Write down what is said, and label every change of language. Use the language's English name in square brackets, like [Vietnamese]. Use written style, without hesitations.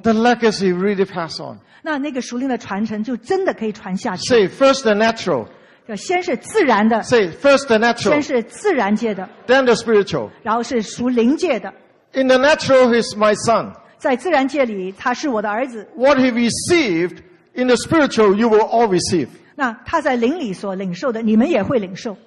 [English] The legacy really pass on. [Chinese] 那个属灵的传承就真的可以传下去。 [English] Say first the natural. [Chinese] 先是自然的。 [English] Say first the natural. [Chinese] 先是自然界的。 [English] Then the spiritual. [Chinese] 然后是属灵界的。 [English] In the natural, he's my son. [Chinese] 在自然界里，他是我的儿子。 [English] What he received in the spiritual, you will all receive. [Chinese] 那他在灵里所领受的，你们也会领受。